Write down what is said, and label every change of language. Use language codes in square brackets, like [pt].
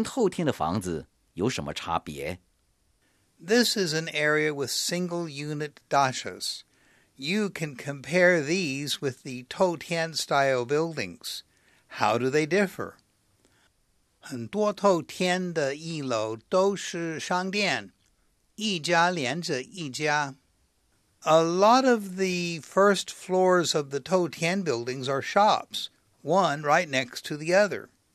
[zh] 这里是新的独门独户的别墅区。比比看,跟后天的房子有什么差别? [en] This is an area with single-unit dachas. You can compare these with the Toutian-style buildings. How do they differ? [zh] 很多透天的一楼都是商店,一家连着一家。 [en] A lot of the first floors of the Toutian buildings are shops, one right next to the other.